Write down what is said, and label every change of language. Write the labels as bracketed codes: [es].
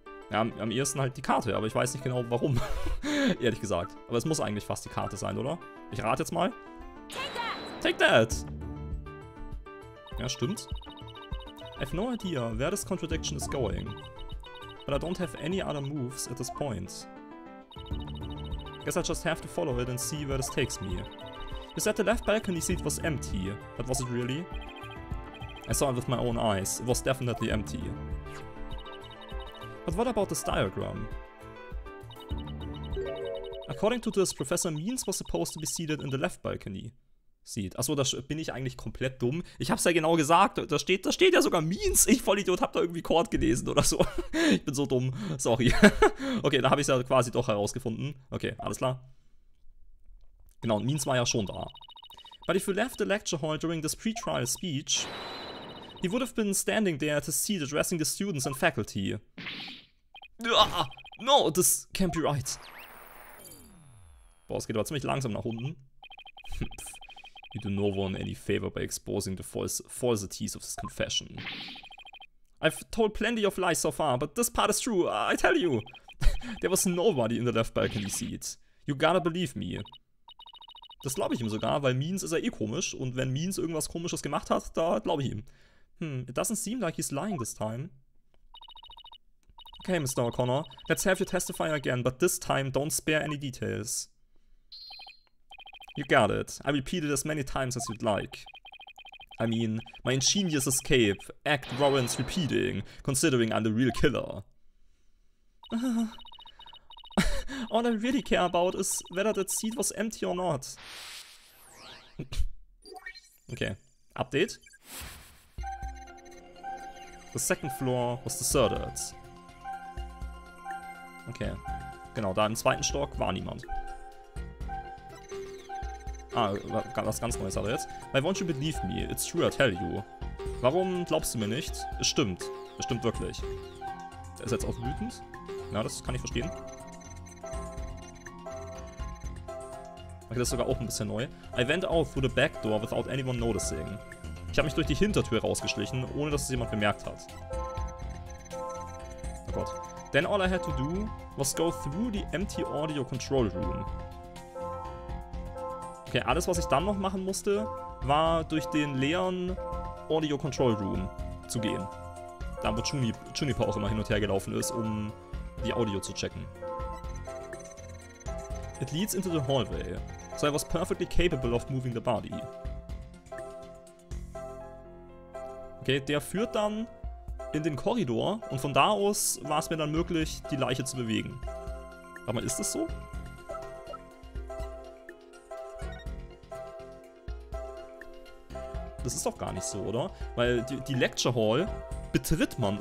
[de] Ja, am ehesten halt die Karte, aber ich weiß nicht genau warum. Ehrlich gesagt. Aber es muss eigentlich fast die Karte sein, oder? Ich rate jetzt mal. [en] Take that! [de] Ja, stimmt. [en] I have no idea where this contradiction is going. But I don't have any other moves at this point. Guess I just have to follow it and see where this takes me. You said the left balcony seat was empty, but was it really? I saw it with my own eyes. It was definitely empty. But what about this diagram? According to this, Professor Means was supposed to be seated in the left balcony. [de] Seat. Achso, da bin ich eigentlich komplett dumm. Ich hab's ja genau gesagt. Da steht ja sogar Means. Ich Vollidiot, hab da irgendwie Court gelesen oder so. Ich bin so dumm. Sorry. Okay, da habe ich's ja quasi doch herausgefunden. Okay, alles klar. Genau, und Means war ja schon da. [en] But if you left the lecture hall during this pre-trial speech, he would have been standing there at his seat addressing the students and faculty. Ah, no, this can't be right. [de] Boah, es geht aber ziemlich langsam nach unten. [en] You do no one any favor by exposing the falsities of this confession. I've told plenty of lies so far, but this part is true, I tell you. There was nobody in the left balcony seat. You gotta believe me. [de] Das glaube ich ihm sogar, weil Means ist ja eh komisch. Und wenn Means irgendwas Komisches gemacht hat, da glaube ich ihm. [en] It doesn't seem like he's lying this time. Okay, Mr. O'Connor, let's have you testify again, but this time don't spare any details. You got it. I repeat it as many times as you'd like. I mean, my ingenious escape. Act warrants repeating, considering I'm the real killer. All I really care about is whether that seat was empty or not. Okay. Update. The second floor was deserted. [de] Okay. Genau, da im zweiten Stock war niemand. Ah, was ganz Neues hat er jetzt. [en] Why won't you believe me? It's true, I tell you. [de] Warum glaubst du mir nicht? Es stimmt. Es stimmt wirklich. Er ist jetzt auch wütend. Ja, das kann ich verstehen. Okay, das ist sogar auch ein bisschen neu. [en] I went out through the back door without anyone noticing. [de] Ich habe mich durch die Hintertür rausgeschlichen, ohne dass es jemand bemerkt hat. Oh Gott. [en] Then all I had to do was go through the empty audio control room. [de] Okay, alles, was ich dann noch machen musste, war durch den leeren Audio Control Room zu gehen. Da, wo Juniper auch immer hin und her gelaufen ist, um die Audio zu checken. [en] It leads into the hallway, so I was perfectly capable of moving the body. [de] Okay, der führt dann in den Korridor und von da aus war es mir dann möglich, die Leiche zu bewegen. Warte mal, ist das so? Das ist doch gar nicht so, oder? Weil die Lecture Hall betritt man.